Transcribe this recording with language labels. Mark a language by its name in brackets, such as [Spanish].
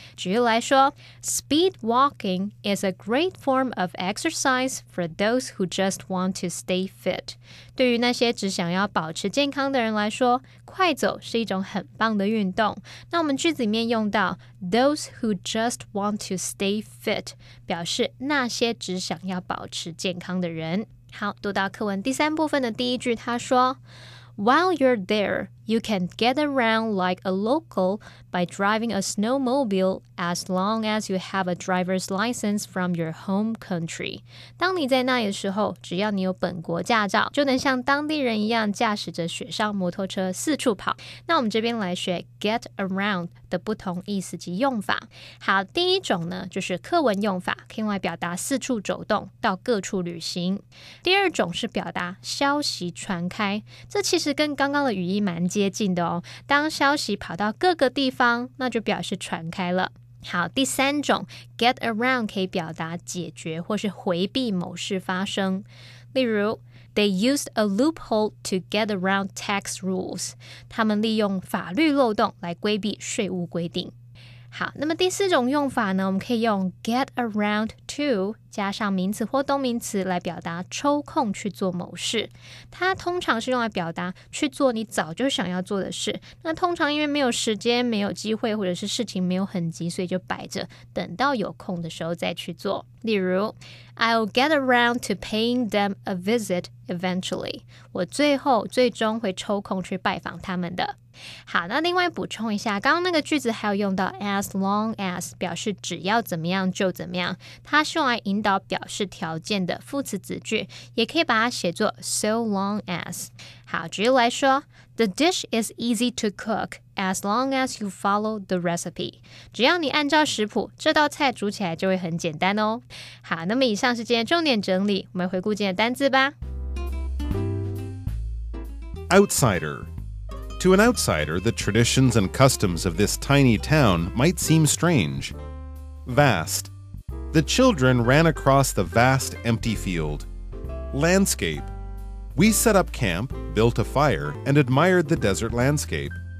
[Chinese] 举例来说 [English] speed walking is a great form of exercise for those who just want to stay fit. [Chinese] 对于那些只想要保持健康的人来说快走是一种很棒的运动。那我们句子里面用到 [English] those who just want to stay fit, [Chinese] 表示那些只想要保持健康的人。好，读到课文第三部分的第一句，他说 [English] While you're there, you can get around like a local by driving a snowmobile as long as you have a driver's license from your home country. [Chinese] 当你在那里的时候，只要你有本国驾照，就能像当地人一样驾驶着雪上摩托车四处跑。那我们这边来学 get around 的不同意思及用法。好，第一种呢，就是课文用法，可以用来表达四处走动，到各处旅行。第二种是表达消息传开，这其实跟刚刚的语义蛮接近的哦。当消息跑到各个地方，那就表示传开了。好，第三种 get around 可以表达解决或是回避某事发生。例如 [English] They used a loophole to get around tax rules. [Chinese] 他们利用法律漏洞来规避税务规定。好，那么第四种用法呢，我们可以用 get around to 加上名词或动名词来表达抽空去做某事。它通常是用来表达去做你早就想要做的事，那通常因为没有时间、没有机会，或者是事情没有很急，所以就摆着等到有空的时候再去做。例如 [English] I'll get around to paying them a visit eventually. [Chinese] 我最后最终会抽空去拜访他们的。好，那另外补充一下，刚刚那个句子还有用到 as long as， 表示只要怎么样就怎么样，它是用来引导表示条件的副词子句，也可以把它写作 so long as。好，举例来说 [English] The dish is easy to cook as long as you follow the recipe， [Chinese] 只要你按照食谱，这道菜煮起来就会很简单哦。好，那么以上是今天重点整理，我们回顾今天的单字吧。 [English] Outsider。 To an outsider, the traditions and customs of this tiny town might seem strange. Vast. The children ran across the vast, empty field. Landscape. We set up camp, built a fire, and admired the desert landscape.